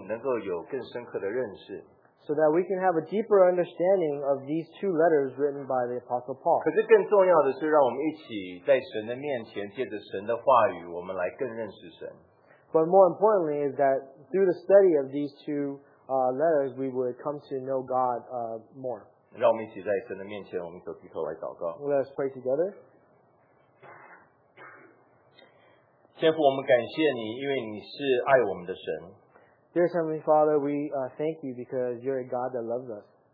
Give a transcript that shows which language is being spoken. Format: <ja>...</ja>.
<zh>让我们能够对这两卷保罗的书信能够有更深刻的认识。</zh> <en>So that we can have a deeper understanding of these two letters written by the Apostle Paul.</en> <zh>可是更重要的是让我们一起在神的面前借着神的话语我们来更认识神。</zh> <en>But more importantly is that through the study of these two letters, we would come to know God more.</en> <zh>让我们一起在神的面前,我们走低头来祷告。</zh> <en>Let us pray together.</en> <zh>天父,我们感谢你,因为你是爱我们的神。</zh> <en>Dear Heavenly Father, we thank you because you're a God that loves us.</en>